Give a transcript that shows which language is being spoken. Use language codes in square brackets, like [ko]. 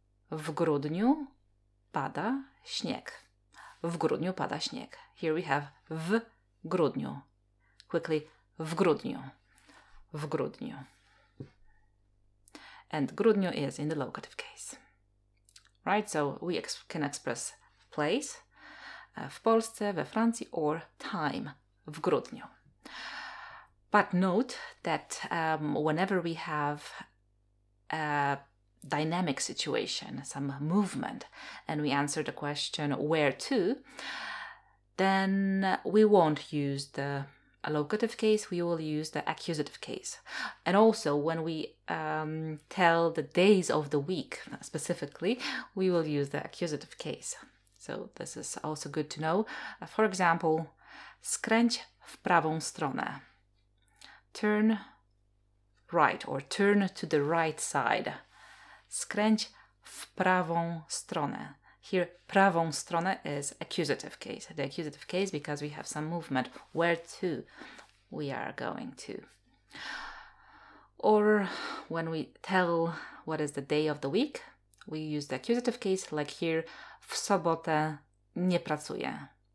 [pl] W grudniu pada śnieg. W grudniu pada śnieg. [en] Here we have [pl] w grudniu. Quickly, w grudniu. W grudniu. [en] And grudniu is in the locative case. Right, so we can express place. [pl] W Polsce, we Francji, [en] or time, [pl] w grudniu. [en] But note that whenever we have a dynamic situation, some movement, and we answer the question where to, then we won't use the locative case, we will use the accusative case. And also when we tell the days of the week specifically, we will use the accusative case. So this is also good to know. For example, [pl] skręć w prawą stronę. [en] Turn right or turn to the right side. [pl] Skręć w prawą stronę. Here, prawą stronę [en] is accusative case. The accusative case because we have some movement. Where to we are going to. Or when we tell what is the day of the week, we use the accusative case, like here, [pl] w sobotę nie pracuję.